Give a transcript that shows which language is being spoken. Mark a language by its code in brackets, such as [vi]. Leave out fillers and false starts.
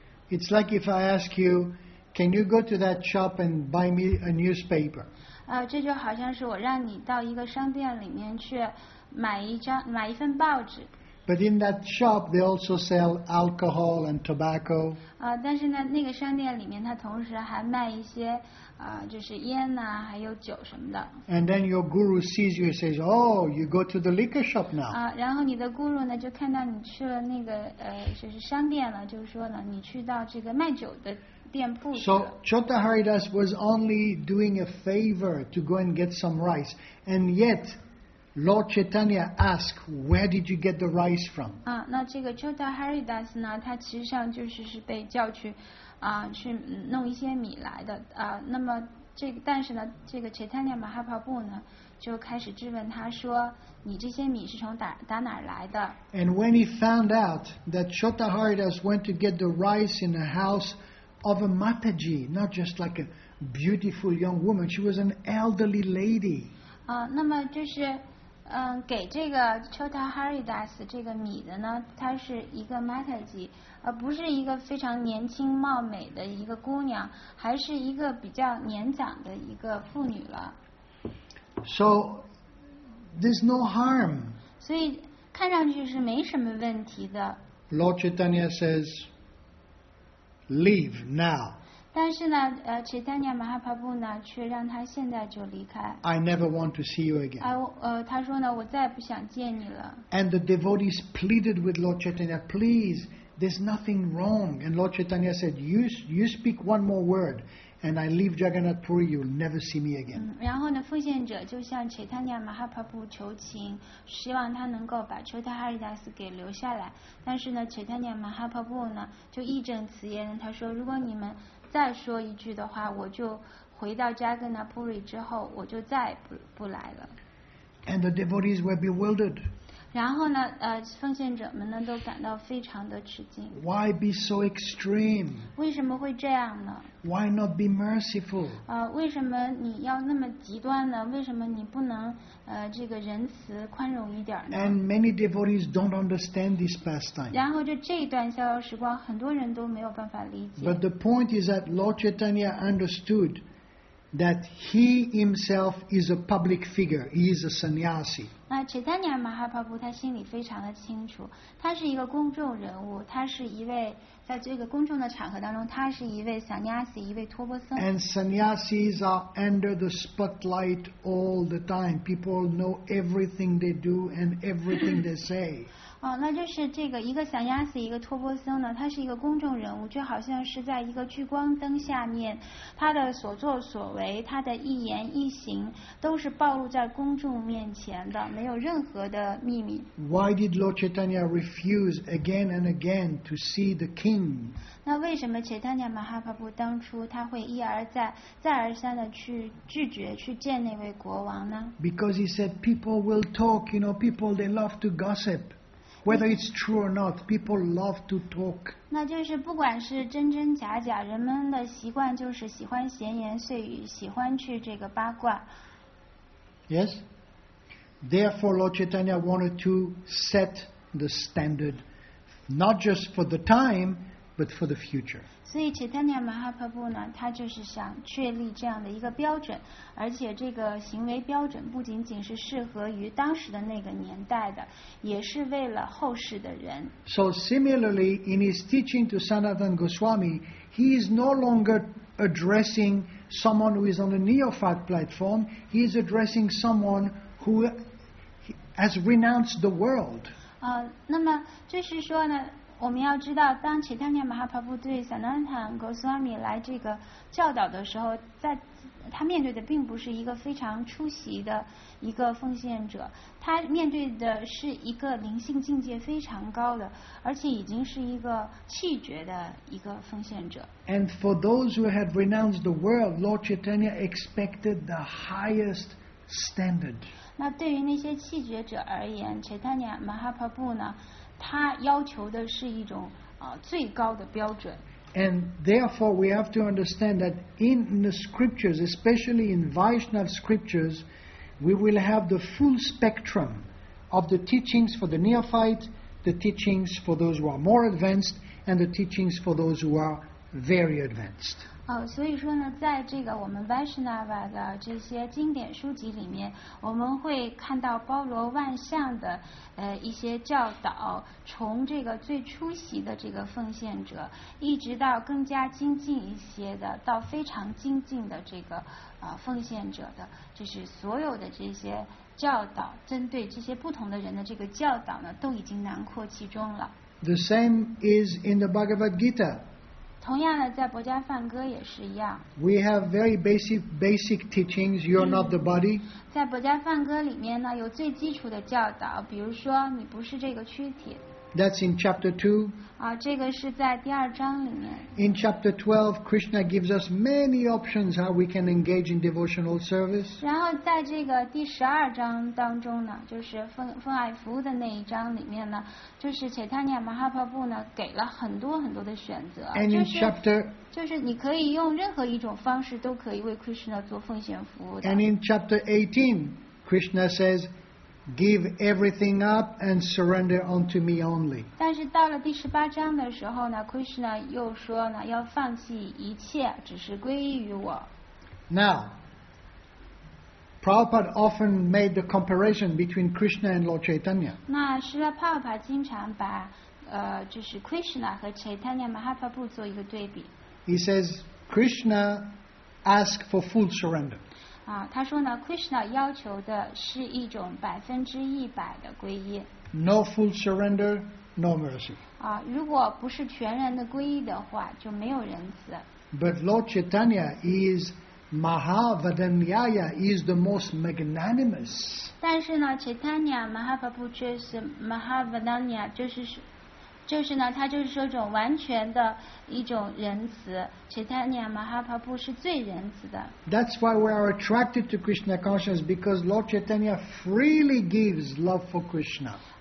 [en] It's like if I ask you, can you go to that shop and buy me a newspaper? [zh] 这就好像是我让你到一个商店里面去买一份报纸。 [en] But in that shop, they also sell alcohol and tobacco. [zh] 但是呢，那个商店里面，它同时还卖一些，就是烟呐，还有酒什么的。 [en] And then your guru sees you and says, "Oh, you go to the liquor shop now." [zh] 然后你的 guru 呢，就看到你去了那个就是商店了，就是说呢，你去到这个卖酒的。 [en] So Chota Haridas was only doing a favor to go and get some rice, and yet Lord Chaitanya asked, "Where did you get the rice from?" [zh] 那这个 Chota Haridas 呢，他其实上就是被叫去，去弄一些米来的。那么这个，但是呢，这个 Chaitanya Mahaprabhu 呢，就开始质问他说，你这些米是从打哪儿来的？ [en] And when he found out that Chota Haridas went to get the rice in the house of a Mataji, not just like a beautiful young woman, she was an elderly lady. [zh] 那么就是，给这个 Chota Haridas 这个米的呢，她是一个 Mataji， 不是一个非常年轻貌美的一个姑娘，还是一个比较年长的一个妇女了。 [en] So there's no harm. [zh] 所以看上去是没什么问题的。 [en] Lord Chaitanya says, "Leave now." [zh] 但是呢，Chaitanya Mahaprabhu 呢，却让他现在就离开。 [en] I never want to see you again. [zh] 他说呢，我再也不想见你了。 [en] And the devotees pleaded with Lord Chaitanya, "Please, there's nothing wrong." And Lord Chaitanya said, "You speak one more word, and I leave Jagannath Puri, you'll never see me again. [zh] 然后呢，奉献者就向 Chaitanya Mahaprabhu 求情，希望他能够把 Chota Haridas 给留下来。但是呢 ，Chaitanya Mahaprabhu 呢就义正辞严，他说，如果你们再说一句的话，我就回到 Jagannath Puri 之后，我就再不来了。 [en] And the devotees were bewildered. [zh] 然后呢，奉献者们呢都感到非常的吃惊。 [en] Why be so extreme? [zh] 为什么会这样呢？ [en] Why not be merciful? [zh] 为什么你要那么极端呢？为什么你不能这个仁慈宽容一点呢？ [en] And many devotees don't understand this pastime. [zh] 然后就这一段逍遥时光，很多人都没有办法理解。 [en] But the point is that Lord Chaitanya understood that he himself is a public figure. He is a sannyasi. [zh] 那 Chaitanya Mahaprabhu 他心里非常的清楚，他是一个公众人物，他是一位。在这个公众的场合当中，他是一位 sannyasi， 一位托钵僧。 [en] And sannyasis are under the spotlight all the time. People know everything they do and everything they say. [zh] 那就是这个一个 sannyasi， 一个托钵僧呢，他是一个公众人物，就好像是在一个聚光灯下面，他的所作所为，他的一言一行都是暴露在公众面前的，没有任何的秘密。 [en] Why did Lord Chaitanya refuse again and again to see the king？ [zh] 那为什么 Chaitanya Mahaprabhu 当初他会一而再再而三的去拒绝去见那位国王呢？ [en] Because he said people will talk, you know, people they love to gossip. Whether it's true or not, people love to talk. [zh] 那就是不管是真真假假，人们的习惯就是喜欢闲言碎语，喜欢去这个八卦。 [en] Yes. Therefore, Lord Chaitanya wanted to set the standard. Not just for the time, but for the future. [zh] 所以 Chaitanya Mahaprabhu 呢，他就是想确立这样的一个标准，而且这个行为标准不仅仅是适合于当时的那个年代的，也是为了后世的人。 [en] So similarly, in his teaching to Sanatana Goswami, he is no longer addressing someone who is on a neophyte platform. He is addressing someone who has renounced the world. [zh] 那么就是说呢，我们要知道，当齐檀尼马哈帕布对萨南坦格苏阿米来这个教导的时候，在他面对的并不是一个非常出席的一个奉献者，他面对的是一个灵性境界非常高的，而且已经是一个气绝的一个奉献者。 [en] And for those who had renounced the world, Lord Chaitanya expected the highest standard. [zh] 那对于那些弃绝者而言 ，Chaitanya Mahaprabhu 呢，他要求的是一种最高的标准。 [en] And therefore, we have to understand that in the scriptures, especially in Vaishnava scriptures, we will have the full spectrum of the teachings for the neophyte, the teachings for those who are more advanced, and the teachings for those who are very advanced. [zh] 所以说呢，在这个我们 Vaishnava 的这些经典书籍里面，我们会看到包罗万象的一些教导，从这个最初级的这个奉献者，一直到更加精进一些的，到非常精进的这个奉献者的，就是所有的这些教导，针对这些不同的人的这个教导呢，都已经囊括其中了。 [en] The same is in the Bhagavad Gita. [zh] 同样的，在《博迦梵歌》也是一样。 [en] We have very basic teachings. You are not the body. [zh] 在《博迦梵歌》里面呢，有最基础的教导，比如说你不是这个躯体。 [en] That's in chapter 2. [zh] 这个是在第二章里面。 [en] In chapter 12, Krishna gives us many options how we can engage in devotional service. [zh] 然后在这个第十二章当中呢，就是奉爱服务的那一章里面呢，就是 Chaitanya Mahaprabhu 呢给了很多很多的选择。 [en] And in chapter [zh] 就是你可以用任何一种方式都可以为 Krishna 做奉献服务的。 [en] And in chapter 18, Krishna says,Give everything up and surrender unto me only. [zh] 但是到了第十八章的时候呢 ，Krishna 又说呢，要放弃一切，只是皈依于我。 [en] Now, Prabhupada often made the comparison between Krishna and Lord Chaitanya. [zh] 那Srila Prabhupada经常把就是 Krishna 和 Chaitanya Mahaprabhu 做一个对比。 [en] He says Krishna asked for full surrender. [zh] 他说呢 ，Krishna 要求的是一种百分之一百的皈依。 [en] No full surrender, no mercy. [zh] 如果不是全然的皈依的话，就没有仁慈。 [en] But Lord Chaitanya is Mahavadanyaya, is the most magnanimous. [zh] 但是呢 Chaitanya Mahaprabhu 却是 Mahavadanyaya, 就是呢他就是说种完全的一种仁慈 Chaitanya Mahaprabhu 是最仁慈的。 [en] That's why we are attracted to Krishna consciousness, because Lord Chaitanya freely gives love for Krishna.